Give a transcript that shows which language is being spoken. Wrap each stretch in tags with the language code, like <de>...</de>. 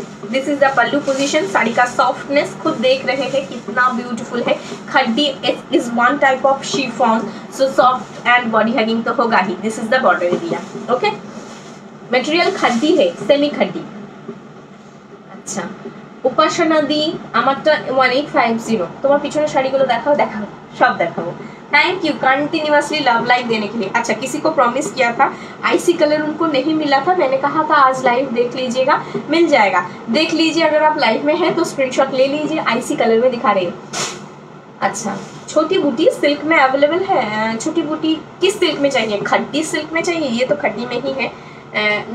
<en>this is the pallu position,</en> <hi>sari का softness खुद देख रहे हैं कितना ब्यूटीफुल है।</hi> <en>khaddi is one type of chiffon, so soft and body hugging</en> <hi>तो होगा ही।</hi> <en>this is the border area,</en> <hi>okay. Material खड्डी है, सेमी खड्डी। अच्छा उपासना दी,</hi> <bn>আমারটা 1850। তোমার পিছনের শাড়িগুলো দেখাও, দেখাও সব দেখাও।</bn> <hi>Thank you continuously love like देने के लिए। अच्छा किसी को प्रॉमिस किया था आईसी कलर उनको नहीं मिला था, मैंने कहा था आज लाइव देख लीजिएगा मिल जाएगा, देख लीजिए। अगर आप लाइव में हैं तो स्क्रीनशॉट ले लीजिए, आईसी कलर में दिखा रही हूँ। अच्छा छोटी बूटी सिल्क में अवेलेबल है, छोटी बूटी किस सिल्क में चाहिए, खड्डी सिल्क में चाहिए, ये तो खड्डी में ही है।</hi>